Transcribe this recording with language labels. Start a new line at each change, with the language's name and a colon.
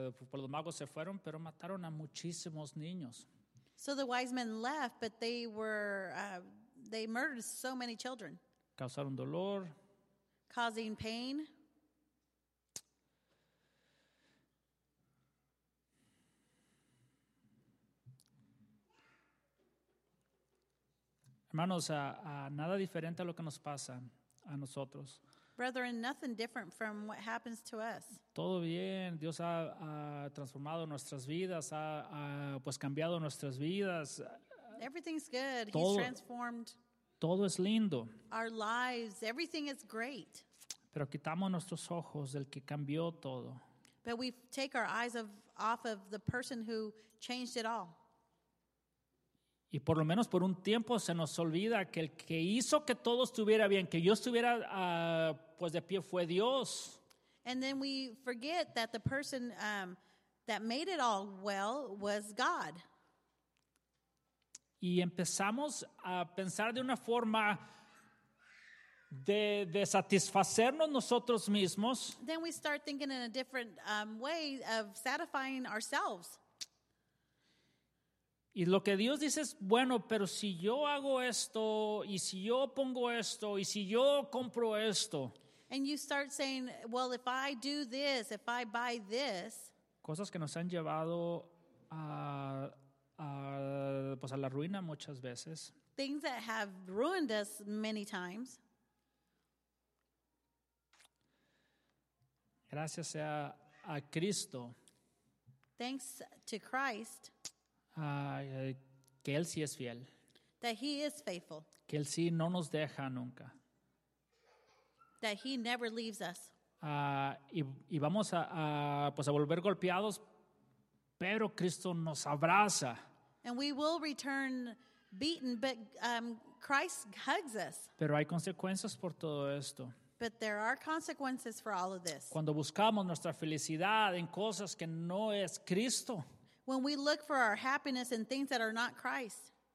Spanish: Pues los magos se fueron, pero mataron a muchísimos niños.
English: So the wise men left, but they were they murdered so many children.
Spanish: Causaron dolor.
English: Causing pain.
Spanish: Hermanos, nada diferente a lo que nos pasa a nosotros.
English: Brethren, nothing different from what happens to us.
Spanish: Todo bien, Dios ha transformado nuestras vidas, ha pues cambiado nuestras vidas.
English: Everything's good. He's transformed.
Spanish: Todo es lindo.
English: Our lives, everything is great.
Spanish: Pero quitamos nuestros ojos del que cambió todo.
English: But we take our eyes off of the person who changed it all.
Spanish: Y por lo menos por un tiempo se nos olvida que el que hizo que todo estuviera bien, que yo estuviera pues de pie, fue Dios.
English: And then we forget that the person that made it all well was God.
Spanish: Y empezamos a pensar de una forma de satisfacernos nosotros mismos.
English: Then we start thinking in a different way of satisfying ourselves.
Spanish: Y lo que Dios dice es, bueno, pero si yo hago esto, y si yo pongo esto, y si yo compro esto.
English: And you start saying, well, if I do this, if I buy this.
Spanish: Cosas que nos han llevado a la ruina muchas veces.
English: Things that have ruined us many times.
Spanish: Gracias sea a Cristo.
English: Thanks to Christ.
Spanish: Que Él sí es fiel.
English: That He is faithful.
Spanish: Que Él sí no nos deja nunca.
English: That He never leaves us.
Spanish: Y vamos a volver golpeados, pero Cristo nos abraza.
English: And we will return beaten, but Christ hugs us.
Spanish: Pero hay consecuencias por todo esto.
English: But there are consequences for all of this.
Spanish: Cuando buscamos nuestra felicidad en cosas que no es Cristo.
English: When we look for our happiness in things that are not Christ.